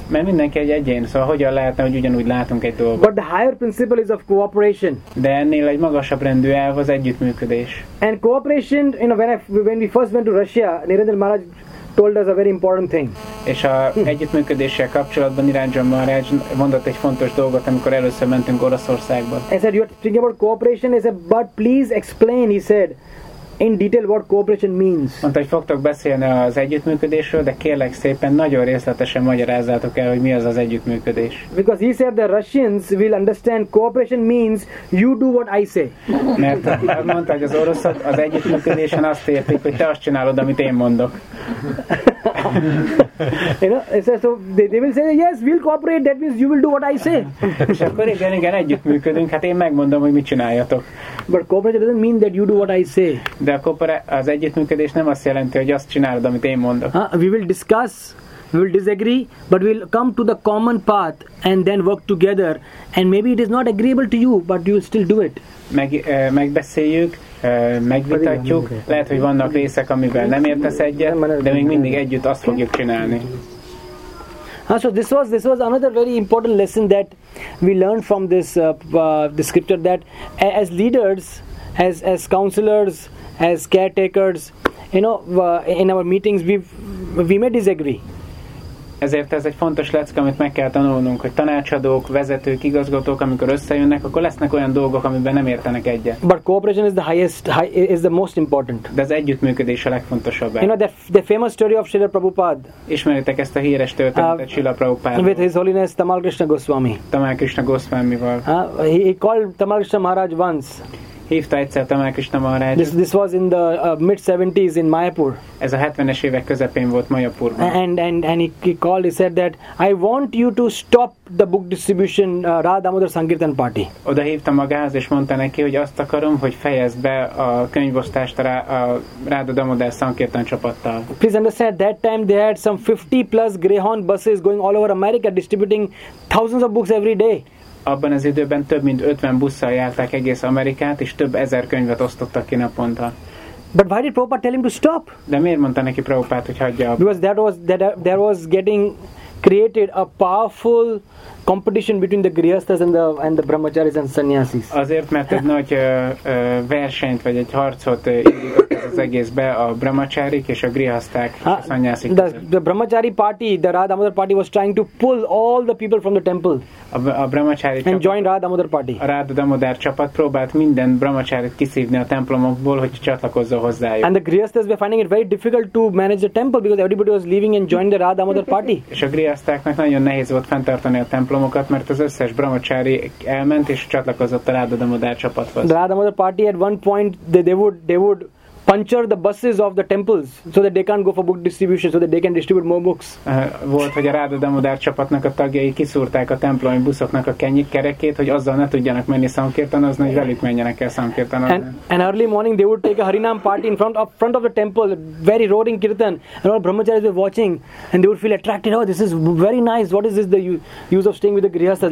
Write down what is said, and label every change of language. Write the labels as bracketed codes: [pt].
[hu] Mert mindenki egy egyén, szóval hogyan lehetne, hogy ugyanúgy látunk egy dolgot? [en] But the higher principle is of cooperation. [hu] De ennél egy magasabb rendű elv az együttműködés. [en] And cooperation, you know, when we first went to Russia, Nirendra Maharaj told us a very important thing. [hu] És a együttműködéssel kapcsolatban Nirendra Maharaj mondott egy fontos dolgot, amikor először mentünk Oroszországba. [en] He said, you are thinking about cooperation. He said, but please explain, he said, in detail what cooperation means. [hu] Mondta, hogy fogtok beszélni az együttműködésről, de kérlek szépen, nagyon részletesen magyarázzátok el, hogy mi az az együttműködés. [en] Because he said, the Russians will understand cooperation means you do what I say. [hu] Mert mondta, hogy az oroszok az együttműködésen azt értik, hogy te azt csinálod, amit én mondok. [en] You know, so they will say, yes, we'll cooperate, that means you will do what I say. [hu] És akkor igen, együttműködünk, hát én megmondom, hogy mit csináljatok. [en] But cooperation doesn't mean that you do what I say. [hu] De az együttműködés nem azt jelenti, hogy azt csinálod, amit én mondok. [en] We will discuss, we will disagree, but we'll come to the common path and then work together. And maybe it is not agreeable to you, but you still do it. [hu] Megbeszéljük, megvitatjuk. Lehet, hogy vannak részek, amivel nem értesz egyet, de még mindig együtt azt fogjuk csinálni. [en] So this was another very important lesson that we learned from this scripture, that as leaders, as counselors, as caretakers, you know, in our meetings we may disagree. [hu] Ezért ez egy fontos lecke, amit meg kell tanulnunk, hogy tanácsadók, vezetők, igazgatók, amikor összejönnek, akkor lesznek olyan dolgok, amiben nem értenek egyet. [en] But cooperation is the highest, is the most important. [hu] De az együttműködés a legfontosabb. [en] You know the famous story of Srila Prabhupada. [hu] Ismeritek ezt a híres történetet Srila Prabhupádról. [en] With His Holiness Tamal Krishna Goswami. [hu] Tamal Krishna Goswamival. [en] He called Tamal Krishna Maharaj once. [hu] Hívta egyszer Tamal Krishna Maharaj. [en] This was in the mid-70s in Mayapur. [hu] Ez a 70-es évek közepén volt Mayapurban. [en] And he called, he said that I want you to stop the book distribution Radhamodar Sankirtan party. [hu] Oda hívta magához, és mondta neki, hogy azt akarom, hogy fejezd be a könyvosztást a Radhamodar Sankirtan csapattal. [en] Please understand, that time they had some 50 plus Greyhound buses going all over America distributing thousands of books every day. [hu] Abban az időben több mint 50 busszal járták egész Amerikát, és több ezer könyvet osztottak ki naponta. [en] But why did Prabhupada tell him to stop? [hu] De miért mondta neki Prabhupada, hogy hagyja? [en] Because there was getting created a powerful competition between the grihasthas and the brahmacharis and sannyasis. [hu] Azért, mert egy nagy versenyt vagy egy harcot indított ez az egészbe a brahmacharik és a grihaszták és a sannyasik. [en] The brahmachari party, the Radhamodar party was trying to pull all the people from the temple. [hu] A brahmachari [en] and join Radhamodar party. [hu] A Radhamodar csapat próbált minden brahmacharit kiszívni a templomokból, hogy csatlakozzon hozzájuk. [en] And the grihasthas were finding it very difficult to manage the temple because everybody was leaving and joined the Radhamodar party. [hu] És a grihasztáknak nagyon nehéz volt fenntartani a templomokat, mert az összes brahmacsári elment és csatlakozott a Radhamodar csapathoz. [en] The Radhamodar party at one point they would puncture the buses of the temples so that they can't go for book distribution so that they can distribute more books. [hu] Volt, hogy a Radhamodar csapatnak a tagjai kiszúrták a templomi buszoknak a kenyik kerekét, hogy azzal ne tudjanak menni szankirtanozni, hogy velük menjenek el szankirtanozni. [en] And early morning they would take a harinam party in front of the temple, very roaring kirtan, and all brahmacharis were watching and they would feel attracted. Oh, this is very nice. What is this, the use of staying with the grihasthas?